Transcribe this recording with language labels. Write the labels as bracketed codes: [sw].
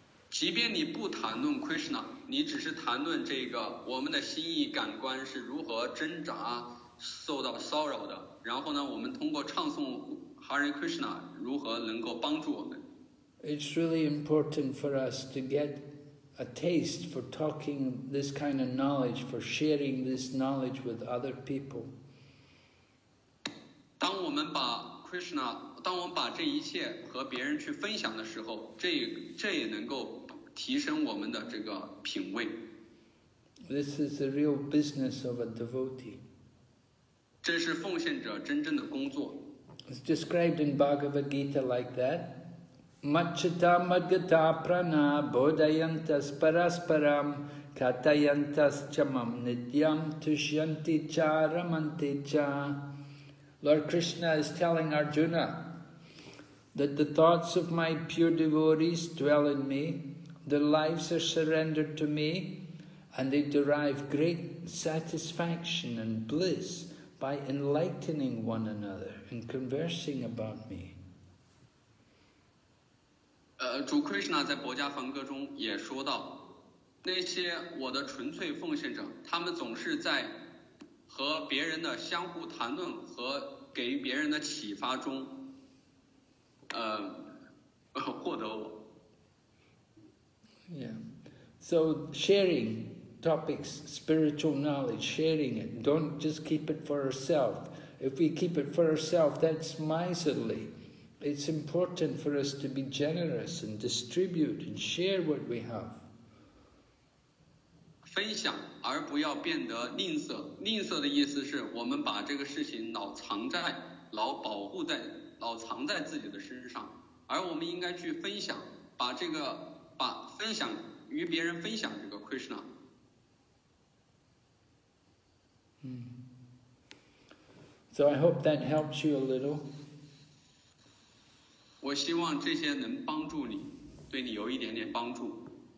[zh] 即便你不谈论 Krishna, 你只是谈论这个我们的心意感官是如何挣扎受到骚扰的，然后呢，我们通过唱诵 Hare Krishna 如何能够帮助我们。 [en] It's really important for us to get a taste for talking this kind of knowledge, for sharing this knowledge with other people. [zh] 当我们把 Krishna, 当我们把这一切和别人去分享的时候，这也能够提升我们的这个品味。 [en] This is the real business of a devotee. [zh] 这是奉献者真正的工作。 [en] It's described in Bhagavad Gita like that. [sa] Machita madgata prana bodhayantas parasparam katayantas chamam nidyam tushyanti cha ramanti cha. [en] Lord Krishna is telling Arjuna that the thoughts of my pure devotees dwell in me, their lives are surrendered to me, and they derive great satisfaction and bliss by enlightening one another and conversing about me. [zh] 主 Krishna 在《薄伽梵歌》中也说到，那些我的纯粹奉献者，他们总是在和别人的相互谈论和给别人的启发中，获得我。 [en] Yeah, so sharing topics, spiritual knowledge, sharing it. Don't just keep it for ourselves. If we keep it for ourselves, that's miserly. It's important for us to be generous and distribute and share what we have. [zh] 分享而不要变得吝啬。吝啬的意思是我们把这个事情老藏在、老保护在、老藏在自己的身上，而我们应该去分享，把这个把分享与别人分享这个 Krishna。嗯。 [en] So I hope that helps you a little. [zh] 我希望这些能帮助你，对你有一点点帮助。